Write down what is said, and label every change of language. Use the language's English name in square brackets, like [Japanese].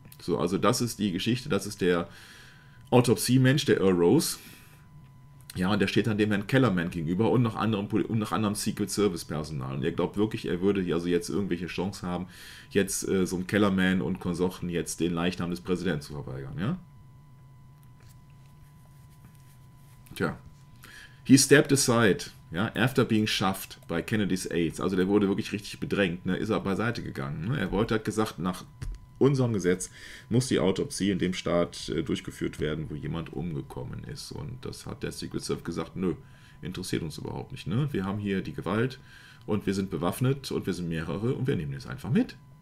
[German] So, also das ist die Geschichte, das ist der Autopsie-Mensch, der Earl Rose. Ja, und der steht dann dem Herrn Kellerman gegenüber und noch anderem Secret Service Personal. Und er glaubt wirklich, er würde also jetzt irgendwelche Chance haben, jetzt so ein Kellerman und Konsorten jetzt den Leichnam des Präsidenten zu verweigern, ja? Tja. [English] He stepped aside, [German] ja, [English] after being shoved by Kennedy's aides. [German] Also der wurde wirklich richtig bedrängt, ne, ist er beiseite gegangen. Ne? Er wollte, hat gesagt, nach unserem Gesetz muss die Autopsie in dem Staat durchgeführt werden, wo jemand umgekommen ist. Und das hat der Secret Service gesagt, nö, interessiert uns überhaupt nicht. Ne? Wir haben hier die Gewalt und wir sind bewaffnet und wir sind mehrere und wir nehmen es einfach mit.